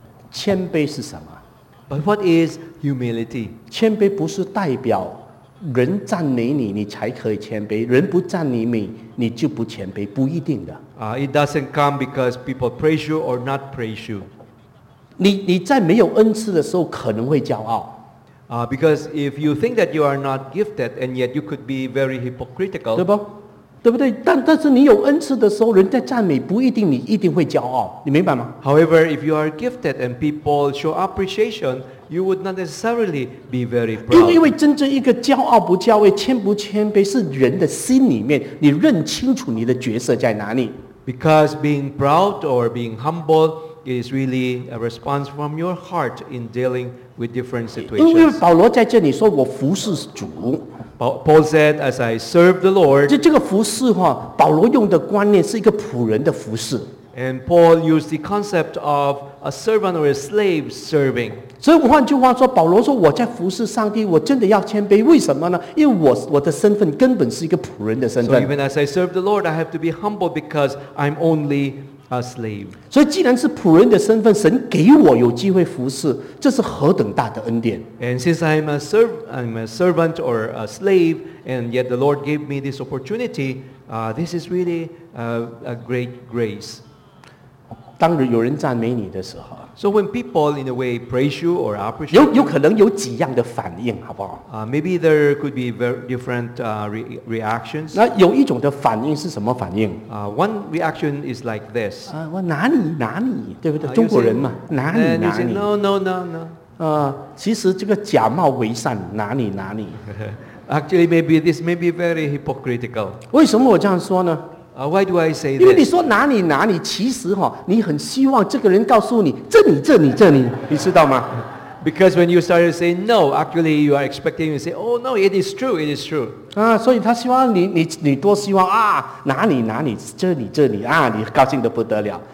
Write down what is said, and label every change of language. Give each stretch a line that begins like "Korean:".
Chinese: 谦卑是什么？
English: But what is humility?
Chinese: 谦卑不是代表人赞美你，你才可以谦卑。人不赞美你，你就不谦卑，不一定的。
English: It doesn't come because people praise you or not praise you.
Chinese: 你在没有恩赐的时候可能会骄傲。
English: Because if you think that you are not gifted, and yet you could be very hypocritical,
Chinese: 对不？对不对？但是你有恩赐的时候，人家赞美不一定你一定会骄傲，你明白吗
English: ？However, if you are gifted and people show appreciation, you would not necessarily be very proud.
Chinese: 因为真正一个骄傲不骄傲、谦不谦卑，是人的心里面，你认清楚你的角色在哪里。
English: Because being proud or being humble is really a response from your heart in dealing with different situations.
Chinese: 因为保罗在这里说我服侍主。
English: Paul said, as I serve the Lord,
Chinese: 这个服事哈，保罗用的观念是一个仆人的服事。
English: And Paul used the concept of a servant or a slave serving.
Chinese: 所以换句话说，保罗说我在服事上帝，我真的要谦卑。为什么呢？因为我的身份根本是一个仆人的身份。
English: So even as I serve the Lord, I have to be humble because I'm only a slave.
Chinese: 所以既然是仆人的身份，神给我有机会服事，这是何等大的恩典。
English: And since I'm a servant or a slave, and yet the Lord gave me this opportunity, this is really a great grace.
Chinese: 当有人赞美你的时候，
English: So when people in a way praise you or appreciate
Chinese: 有可能有几样的反应，好不好？
English: Maybe there could be very different reactions.
Chinese: 那有一种的反应是什么反应？
English: One reaction is like this.
Chinese: 我哪里哪里，对不对？中国人嘛，哪里哪里。
English: And you say, no.
Chinese: 其实这个假冒为善，哪里哪里。
English: Actually, maybe this may be very hypocritical.
Chinese: 为什么我这样说呢？
English: Why do I say that?
Chinese: 因为你说哪里哪里，其实哈，你很希望这个人告诉你这里这里这里，你知道吗？
English: Because when you start to say no, actually you are expecting you to say, oh no, it is true, it is true.
Chinese: 啊，所以他希望你，你多希望啊，哪里哪里，这里这里啊，你高兴得不得了。